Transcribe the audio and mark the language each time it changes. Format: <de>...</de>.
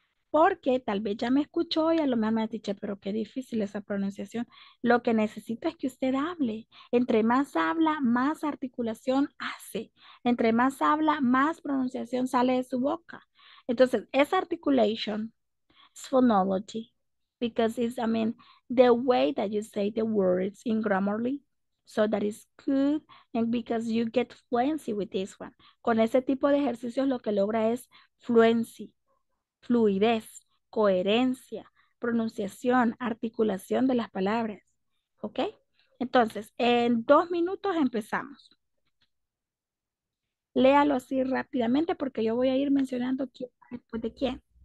<es>Porque tal vez ya me escuchó y a lo mejor me ha dicho, pero qué difícil esa pronunciación. Lo que necesito es que usted hable. Entre más habla, más articulación hace. Entre más habla, más pronunciación sale de su boca. Entonces, esa articulation es phonology.</es> <en>Because it's, I mean, the way that you say the words in Grammarly. So that is good. And because you get fluency with this one.</en> <es>Con ese tipo de ejercicios lo que logra es fluency. Fluidez, coherencia, pronunciación, articulación de las palabras. ¿Ok? Entonces, en 2 minutos empezamos. Léalo así rápidamente porque yo voy a ir mencionando quién después de quién.</es>